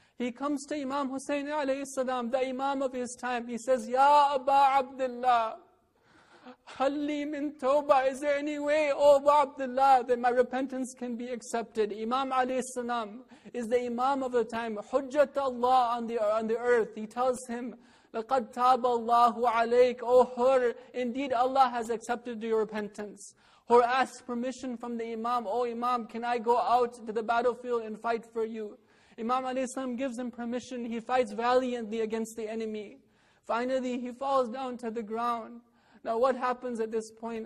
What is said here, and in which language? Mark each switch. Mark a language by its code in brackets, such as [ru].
[en] He comes to Imam Hussein alayhi salam, the Imam of his time. He says, Ya Aba Abdullah, [ar] halli min tawbah, [en] is there any way, oh Aba Abdullah, that my repentance can be accepted? Imam alayhi salam is the Imam of the time, Hujjat Allah on the earth. He tells him, [ar] لَقَدْ تَابَ اللَّهُ عَلَيْكَ. [en] Oh Hur, indeed Allah has accepted your repentance. Hur asks permission from the Imam, oh Imam, can I go out to the battlefield and fight for you? Imam alayhi salam gives him permission. He fights valiantly against the enemy. Finally, he falls down to the ground. Now what happens at this point?